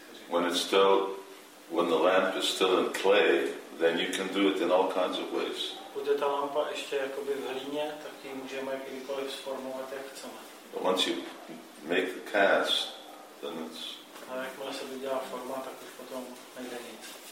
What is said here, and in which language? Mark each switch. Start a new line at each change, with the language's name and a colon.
English: when it's still, when the lamp is still in clay, then you can do it in all kinds of ways.
Czech: Když je ta lampa ještě jakoby v hlíně, tak ji můžeme kdykoliv sformovat, jak chceme.
English: But once you make the cast, then it's...
Czech: A jakmile se vydělá forma, tak už potom nejde nic.